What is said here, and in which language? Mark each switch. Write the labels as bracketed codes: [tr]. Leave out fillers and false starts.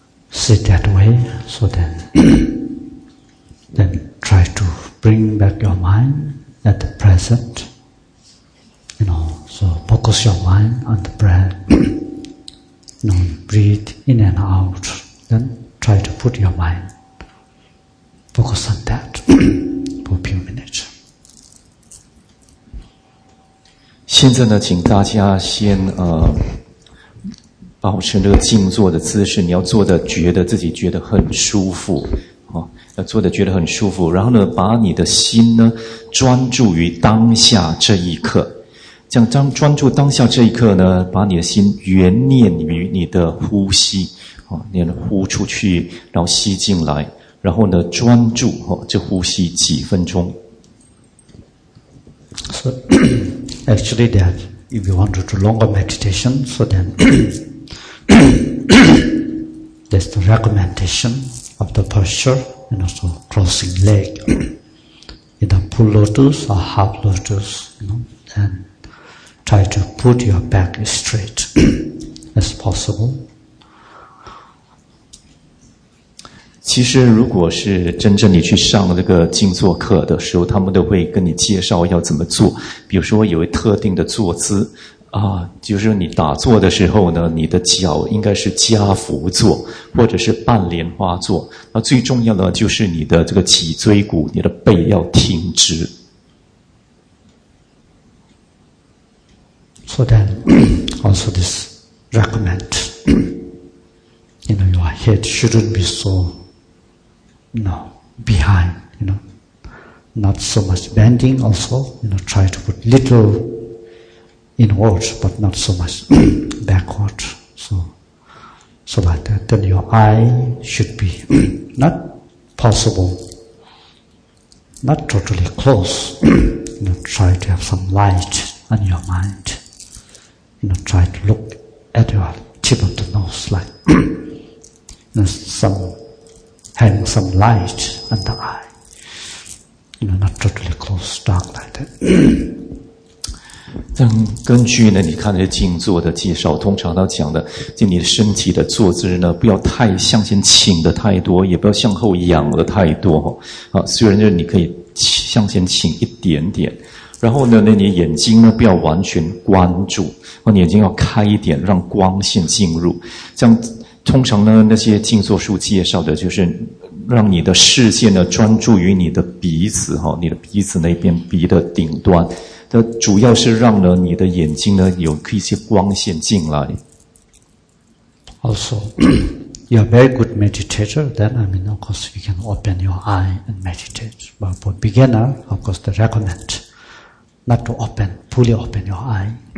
[en] sit that way, so then try to bring back your mind at the present, you know, so focus your mind on the breath, you know, breathe in and out, then try to put your mind, focus on that for a few minutes. [zh] 现在呢，请大家先保持这个静坐的姿势。你要坐的觉得自己觉得很舒服，要坐的觉得很舒服。然后呢，把你的心呢专注于当下这一刻，这样专注当下这一刻呢，把你的心圆念于你的呼吸，念呼出去，然后吸进来，然后呢专注这呼吸几分钟。 [en] So, actually that, if you want to do longer meditation, so then, that's the recommendation of the posture, and also crossing leg, either full lotus or half lotus, you know, and try to put your back straight as possible. [zh] 其实如果是真正你去上这个静坐课的时候，他们都会跟你介绍要怎么做。比如说有一特定的坐姿啊，就是你打坐的时候呢，你的脚应该是加扶坐或者是半莲花坐。那最重要的就是你的这个脊椎骨，你的背要挺直。 [en] So then, also this recommend, you know, your head shouldn't be so. No, behind, you know, not so much bending also, you know, try to put little inward, but not so much backward, so like that. Then your eye should be not possible, not totally close, you know, try to have some light on your mind, you know, try to look at your tip of the nose like, you know, some. Hang some light on the eye. You know, not totally close, dark like that. [zh] 但根据呢，你看这静坐的介绍，通常他讲的，就你身体的坐姿呢，不要太向前倾的太多，也不要向后仰的太多哈。啊，虽然就是你可以向前倾一点点，然后呢，那你眼睛呢，不要完全关注，哦，眼睛要开一点，让光线进入，这样。通常呢，那些静坐术介绍的就是让你的视线呢专注于你的鼻子哈，你的鼻子那边鼻的顶端，它主要是让呢你的眼睛呢有一些光线进来。 [en] Also, you're a very good meditator. Then, I mean, of course, you can open your eye and meditate. But for beginner, of course, they recommend not to open fully open your eye.